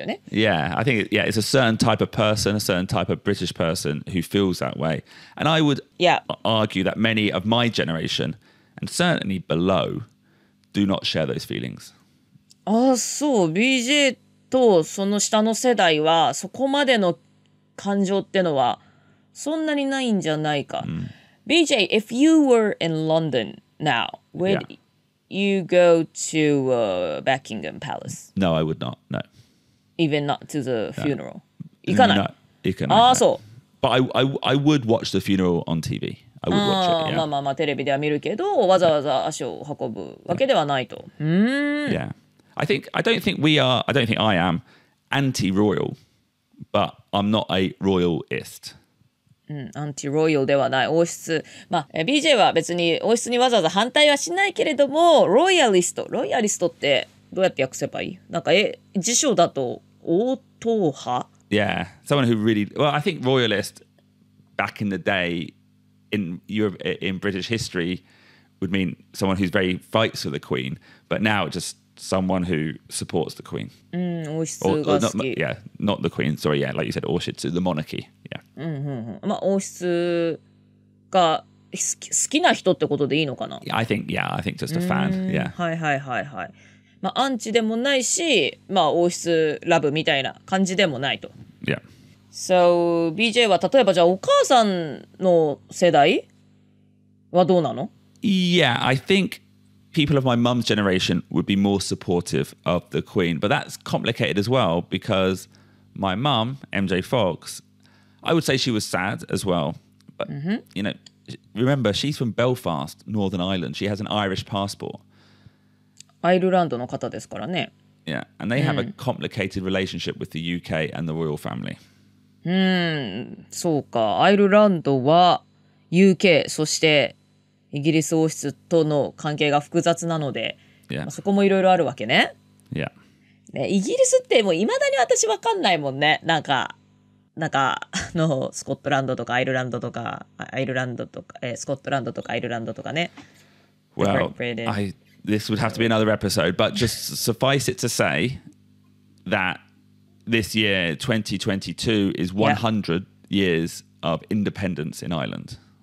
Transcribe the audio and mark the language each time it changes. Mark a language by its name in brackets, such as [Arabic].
[English] Yeah, I think yeah, it's a certain type of person, a certain type of British person who feels that way. And I would argue that many of my generation, and certainly below, do not share those feelings. [Japanese] Ah, so BJ とその下の世代はそこまでの感情ってのはそんなにないんじゃないか。 [English] BJ, if you were in London now, where you go to Buckingham Palace? No, I would not. No. Even not to the funeral? No. But I would watch the funeral on TV. I would watch it, yeah. [Japanese] まあまあまあ、テレビでは見るけど、わざわざ足を運ぶわけではないと。 [English] Yeah. I don't think I am anti-royal, but I'm not a royalist. [Japanese] アンティロイヤルではない王室、まあ、BJ は別に王室にわざわざ反対はしないけれどもロイヤリスト、ロイヤリストってどうやって訳せばいい？なんか辞書だと王党派？ [English] Yeah, someone who really, well I think royalist back in the day in Europe, in British history would mean someone who's very fights for the Queen, but now just someone who supports the Queen. [Japanese] 王室が好き。 [English] not the Queen, sorry, yeah, like you said, 王室 the monarchy. [Japanese] まあ、王室が好きな人ってことでいいのかな [English] yeah, I think just a fan. Yeah. [Japanese] はいはいはいはい。まあ、アンチでもないし、まあ、王室ラブみたいな感じでもないと。 [English] Yeah. [Japanese] So, BJ は例えばじゃあお母さんの世代はどうなの [English] Yeah, I think people of my mum's generation would be more supportive of the Queen. But that's complicated as well because my mum, MJ Fox,I would say she was sad as well. But, you know, remember, she's from Belfast, Northern Ireland. She has an Irish passport. [Japanese] アイルランドの方ですからね。 [English] Yeah, and they have a complicated relationship with the UK and the royal family. [Japanese] そうか。アイルランドは UK、そしてイギリス王室との関係が複雑なので、 [English] yeah. [Japanese] そこもいろいろあるわけね。 [English] Yeah. [Japanese] ね、イギリスってもう未だに私わかんないもんね。なんか、なんかのスコットランドとかアイルランドとかアイルランドとか、スコットランドとかアイルランドとかね。 [English] Well, this would have to be another episode, but just suffice it to say that this year, 2022, is 100 years of independence in Ireland.